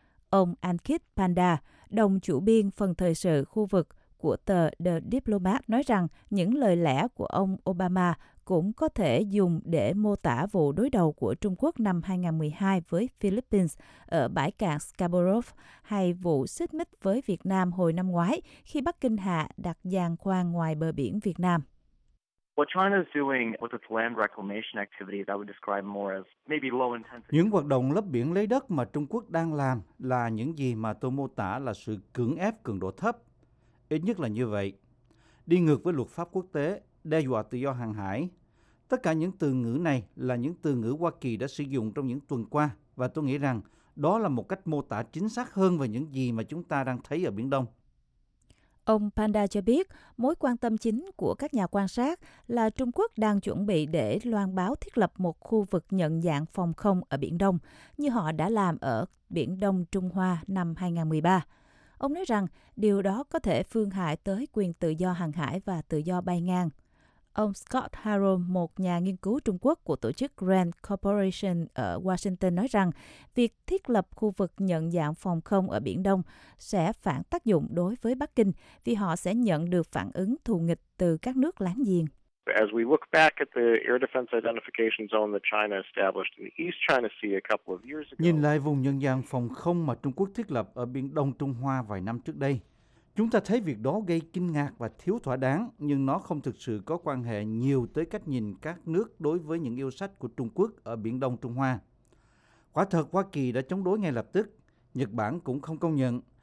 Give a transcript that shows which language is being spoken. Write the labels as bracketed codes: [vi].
[vi] Ông Ankit Panda, đồng chủ biên phần thời sự khu vực của tờ The Diplomat, nói rằng những lời lẽ của ông Obama cũng có thể dùng để mô tả vụ đối đầu của Trung Quốc năm 2012 với Philippines ở bãi cạn Scarborough hay vụ xích mích với Việt Nam hồi năm ngoái khi Bắc Kinh hạ đặt giàn khoan ngoài bờ biển Việt Nam. [en] What China is doing with its land reclamation activities, I would describe more as maybe low intensity. [vi] Những hoạt động lấp biển lấy đất mà Trung Quốc đang làm là những gì mà tôi mô tả là sự cưỡng ép cường độ thấp, ít nhất là như vậy. Đi ngược với luật pháp quốc tế, đe dọa tự do hàng hải. Tất cả những từ ngữ này là những từ ngữ Hoa Kỳ đã sử dụng trong những tuần qua, và tôi nghĩ rằng đó là một cách mô tả chính xác hơn về những gì mà chúng ta đang thấy ở Biển Đông. Ông Panda cho biết, mối quan tâm chính của các nhà quan sát là Trung Quốc đang chuẩn bị để loan báo thiết lập một khu vực nhận dạng phòng không ở Biển Đông, như họ đã làm ở Biển Đông Trung Hoa năm 2013. Ông nói rằng điều đó có thể phương hại tới quyền tự do hàng hải và tự do bay ngang. Ông Scott Harrow, một nhà nghiên cứu Trung Quốc của tổ chức Grand Corporation ở Washington, nói rằng việc thiết lập khu vực nhận dạng phòng không ở Biển Đông sẽ phản tác dụng đối với Bắc Kinh vì họ sẽ nhận được phản ứng thù nghịch từ các nước láng giềng. [en] As we look back at the air defense identification zone that China established in the East China Sea a couple of years ago. [vi] Nhìn lại vùng nhận dạng phòng không mà Trung Quốc thiết lập ở Biển Đông Trung Hoa vài năm trước đây. Chúng ta thấy việc đó gây kinh ngạc và thiếu thỏa đáng, nhưng nó không thực sự có quan hệ nhiều tới cách nhìn các nước đối với những yêu sách của Trung Quốc ở Biển Đông Trung Hoa. Quả thật, Hoa Kỳ đã chống đối ngay lập tức. Nhật Bản cũng không công nhận.